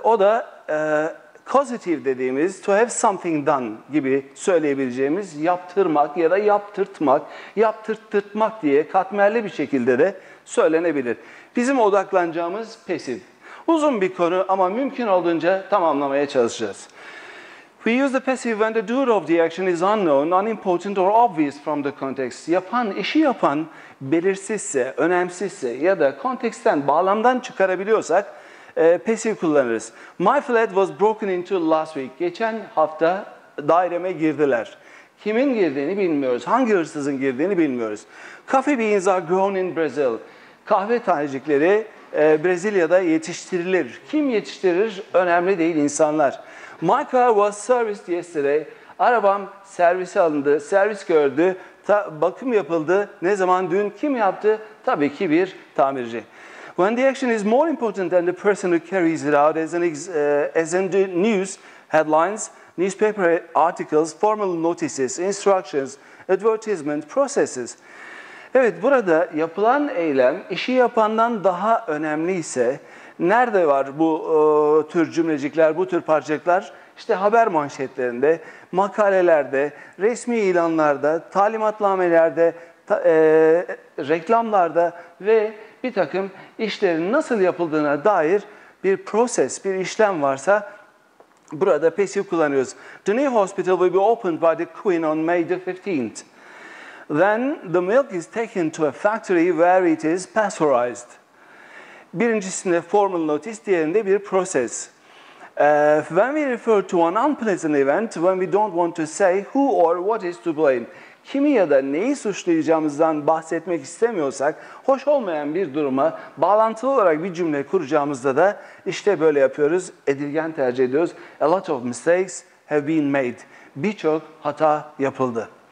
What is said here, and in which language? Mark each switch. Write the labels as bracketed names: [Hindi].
[Turkish] O da causative dediğimiz [English] to have something done [Turkish] gibi söyleyebileceğimiz yaptırmak ya da yaptırtmak, yaptırtırtmak diye katmerli bir şekilde de söylenebilir. Bizim odaklanacağımız passive. Uzun bir konu ama mümkün olduğunca tamamlamaya çalışacağız. [English] We use the passive when the doer of the action is unknown, unimportant or obvious from the context. [Turkish] Yapan, işi yapan belirsizse, önemsizse ya da konteksten, bağlamdan çıkarabiliyorsak passive kullanırız. [English] My flat was broken into last week. [Turkish] Geçen hafta daireme girdiler. Kimin girdiğini bilmiyoruz. Hangi hırsızın girdiğini bilmiyoruz. [English] Coffee beans are grown in Brazil. [Turkish] Kahve tanecikleri Brezilya'da yetiştirilir. Kim yetiştirir? Önemli değil insanlar. [English] My car was serviced yesterday. [Turkish] Arabam servise alındı, servis gördü, bakım yapıldı. Ne zaman? Dün. Kim yaptı? Tabii ki bir tamirci. [English] When the action is more important than the person who carries it out, as in the news headlines, newspaper articles, formal notices, instructions, advertisement processes. [Turkish] Evet, burada yapılan eylem işi yapandan daha önemliyse nerede var bu tür cümlecikler, bu tür parçacıklar? İşte haber manşetlerinde, makalelerde, resmi ilanlarda, talimatnamelerde, reklamlarda ve bir takım işlerin nasıl yapıldığına dair bir proses, bir işlem varsa burada passive kullanıyoruz. [English] The new hospital will be opened by the Queen on May the 15th. Then the milk is taken to a factory where it is pasteurized. [Turkish] Birincisinde formal notice, diğerinde bir proses. [English] When we refer to an unpleasant event, when we don't want to say who or what is to blame. [Turkish] Kimi ya da neyi suçlayacağımızdan bahsetmek istemiyorsak, hoş olmayan bir duruma bağlantılı olarak bir cümle kuracağımızda da işte böyle yapıyoruz, edilgen tercih ediyoruz. [English] A lot of mistakes have been made. [Turkish] Birçok hata yapıldı.